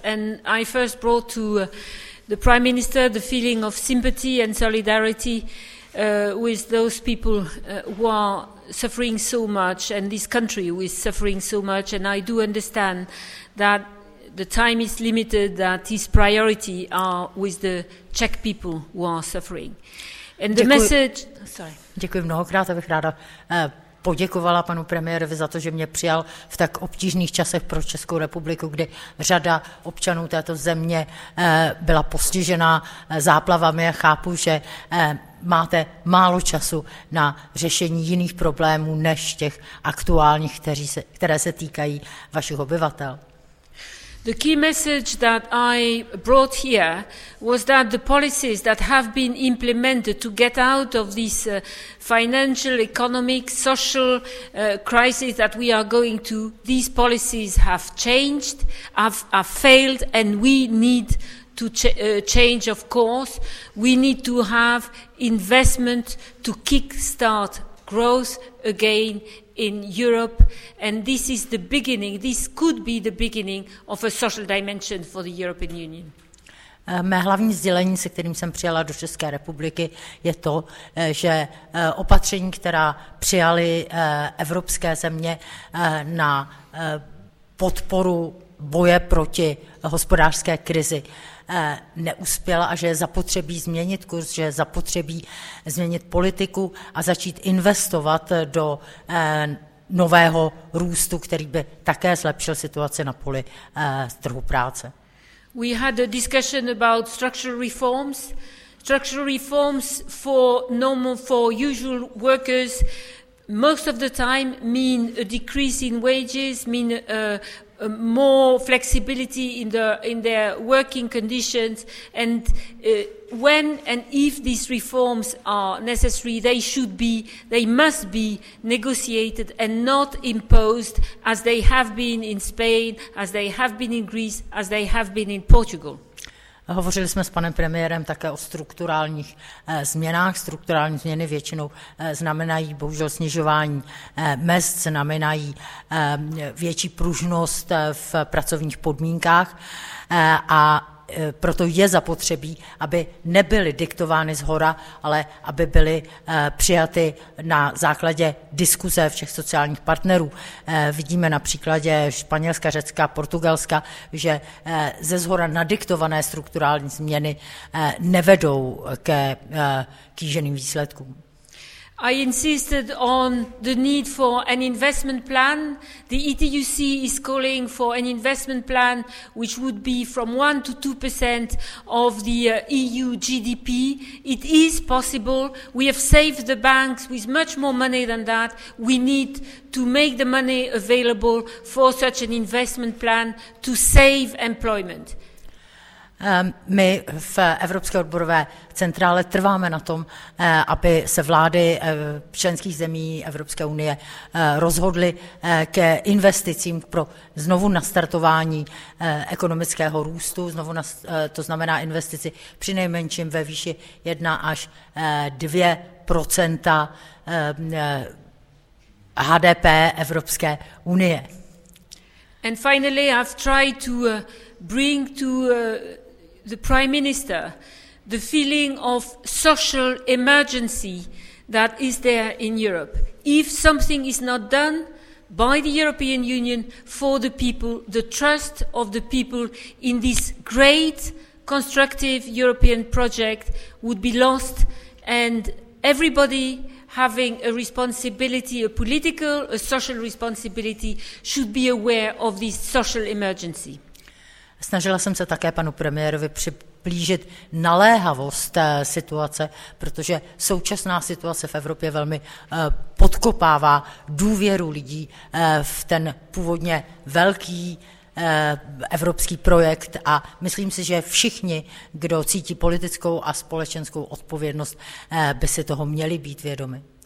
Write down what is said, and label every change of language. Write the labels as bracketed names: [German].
[English] And I first brought to the Prime Minister the feeling of sympathy and solidarity with those people who are suffering so much, and this country who is suffering so much. And I do understand that the time is limited, that his priority are with the Czech people who are suffering. And the message... Sorry. [Czech] Děkuji mnohokrát, abych ráda poděkovala panu premiérovi za to, že mě přijal v tak obtížných časech pro Českou republiku, kdy řada občanů této země byla postižena záplavami, a chápu, že máte málo času na řešení jiných problémů než těch aktuálních, které se týkají vašich obyvatel. [English] The key message that I brought here was that the policies that have been implemented to get out of this financial, economic, social crisis that we are going to, these policies have changed, have failed, and we need to change, of course. We need to have investment to kick-start growth again in Europe, and this is the beginning, this could be the beginning of a social dimension for the European Union. [Czech] Mé hlavní sdělení, se kterým jsem přijala do České republiky, je to, že opatření, která přijaly evropské země na podporu boje proti hospodářské krizi, neuspěla a že je zapotřebí změnit kurz, že je zapotřebí změnit politiku a začít investovat do nového růstu, který by také zlepšil situaci na poli trhu práce. [English] We had a discussion about structural reforms for normal, for usual workers most of the time mean a decrease in wages, mean more flexibility in their working conditions, and when and if these reforms are necessary, they must be negotiated and not imposed as they have been in Spain, as they have been in Greece, as they have been in Portugal. [Czech] Hovořili jsme s panem premiérem také o strukturálních změnách. Strukturální změny většinou znamenají bohužel snižování mezd, znamenají větší pružnost v pracovních podmínkách a proto je zapotřebí, aby nebyly diktovány zhora, ale aby byly přijaty na základě diskuze všech sociálních partnerů. Vidíme na příkladě Španělska, Řecka, Portugalska, že ze zhora nadiktované strukturální změny nevedou ke kýženým výsledkům. [English] I insisted on the need for an investment plan. The ETUC is calling for an investment plan which would be from 1-2% of the EU GDP. It is possible. We have saved the banks with much more money than that. We need to make the money available for such an investment plan to save employment. [Czech] My v Evropské odborové centrále trváme na tom, aby se vlády členských zemí Evropské unie rozhodly ke investicím pro znovu nastartování ekonomického růstu, to znamená investici přinejmenším ve výši 1-2% HDP Evropské unie. [English] And finally I've tried to bring to the Prime Minister, the feeling of social emergency that is there in Europe. If something is not done by the European Union for the people, the trust of the people in this great constructive European project would be lost, and everybody having a responsibility, a political, a social responsibility, should be aware of this social emergency. [Czech] Snažila jsem se také panu premiérovi přiblížit naléhavost situace, protože současná situace v Evropě velmi podkopává důvěru lidí v ten původně velký evropský projekt a myslím si, že všichni, kdo cítí politickou a společenskou odpovědnost, by si toho měli být vědomi.